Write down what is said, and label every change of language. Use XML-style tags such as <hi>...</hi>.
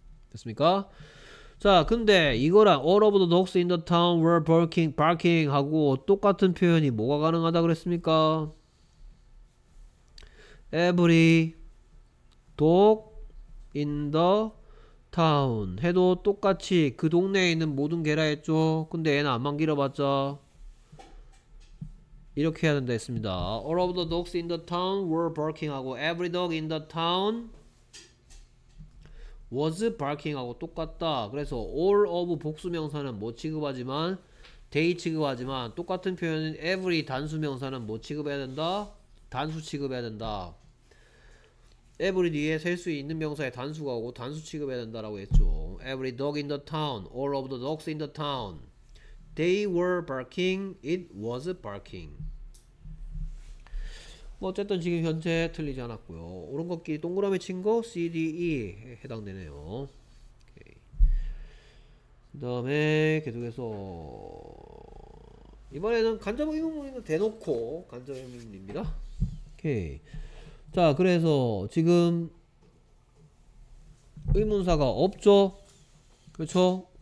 <ko>됐습니까? 자, 근데 이거랑</ko> <en>All of the dogs in the town were barking</en> <ko>하고 똑같은 표현이 뭐가 가능하다 그랬습니까?</ko> <en>Every dog in the town</en> <ko>해도 똑같이 그 동네에 있는 모든 개라 했죠. 근데 얘는 안만 길어봤자 이렇게 해야 된다 했습니다.</ko> <en>All of the dogs in the town were barking 하고 every dog in the town was barking</en> <ko>하고 똑같다. 그래서 all of 복수 명사는 뭐 취급하지만 they 취급하지만 똑같은 표현인 every 단수 명사는 뭐 취급해야 된다? 단수 취급해야 된다. Every 뒤에 셀수 있는 명사에 단수가 오고 단수 취급해야 된다라고 했죠.</ko> <en>Every dog in the town, all of the dogs in the town, they were barking, it was barking.</en> <ko>뭐 어쨌든 지금 현재 틀리지 않았고요. 오른 것끼리 동그라미 친 거, CDE에 해당되네요. 그다음에 계속해서 이번에는 간접의문문입니다. 대놓고 간접의문문입니다. 오케이. 자, 그래서 지금 의문사가 없죠? 그렇죠?</ko>